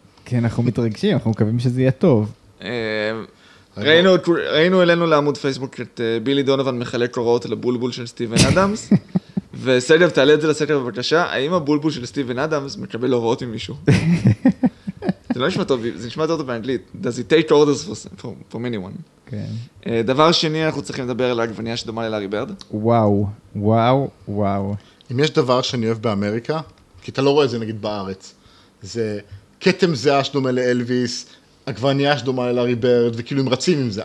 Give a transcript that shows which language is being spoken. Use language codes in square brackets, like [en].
[he] כן, אנחנו מתרגשים, אנחנו מקווים שזה יהיה טוב. ראינו אלינו לעמוד פייסבוק את בילי דונובן מחלק קוראות על הבולבול של סטיבן אדמס, וסגב, תעלה את זה לסקר בבקשה, האם הבולבול של סטיבן אדמס מקבל הוראות ממישהו? זה לא נשמע טוב, זה נשמע יותר טוב באנגלית. [en] Does it take orders from anyone? [he] דבר שני, אנחנו צריכים לדבר על העגבנייה שדומה ללארי ברד. וואו, וואו, וואו. אם יש דבר שאני אוהב באמריקה, כי אתה לא רואה זה נגיד בארץ, זה קטם זהה שדומה לאלוויס, עגבנייה שדומה ללארי ברד, וכאילו הם רצים עם זה.